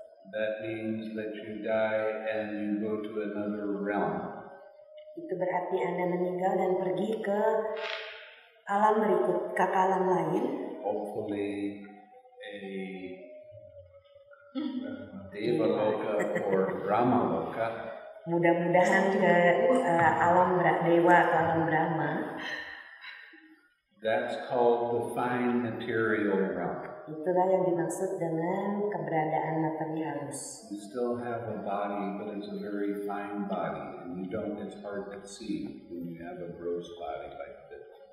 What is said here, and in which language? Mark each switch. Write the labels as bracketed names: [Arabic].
[English] That means that you die and you go to another realm. [Indonesian] Itu berarti Anda meninggal dan pergi ke alam berikut, kata alam lain. [English] Hopefully, Deva Loka or Brahma Loka. [Indonesian] Mudah-mudahan ke alam dewa atau alam Brahma. [English] That's called the fine material realm. [Indonesian] Itulah yang dimaksud dengan keberadaan materialis. [English] You still have a body, but it's a very fine body, and you don't. It's hard to see when you have a gross body like this.